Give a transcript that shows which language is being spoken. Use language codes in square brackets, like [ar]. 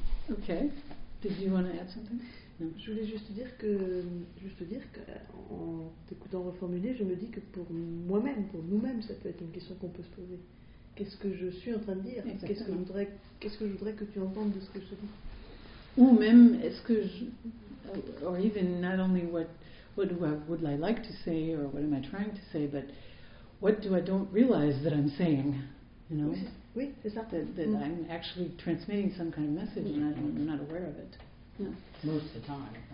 [en] Okay. Did you want to add something? No. [fr] Je voulais juste dire que en t'écoutant reformuler, je me dis que pour moi-même, pour nous-mêmes, ça peut être une question qu'on peut se poser. Qu'est-ce que je suis en train de dire? Exactement. Qu'est-ce que je voudrais que tu entendes de ce que je dis? Ou même, est-ce que je... [en] Or even not only what do I, would I like to say, or what am I trying to say, but what do I don't realize that I'm saying, you know? [fr] Oui, c'est ça. That mm. [en] I'm actually transmitting some kind of message and I'm not aware of it. Yeah. Most of the time.